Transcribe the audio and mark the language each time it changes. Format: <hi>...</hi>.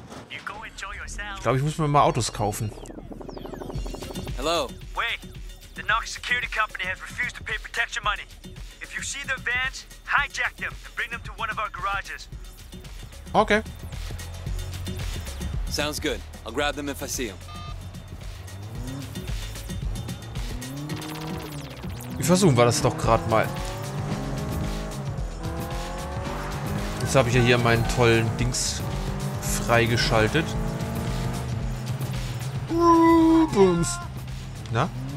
<de>Ich glaube, ich muss mir mal Autos kaufen.</de> <en>Hello. Wait. The Knox Security Company has refused to pay protection money. If you see their vans, hijack them and bring them to one of our garages. Okay. Sounds good. I'll grab them if I see them.</en> <de>Wir versuchen war das doch gerade mal. Jetzt habe ich ja hier meinen tollen Dings freigeschaltet. Bums. Na?</de>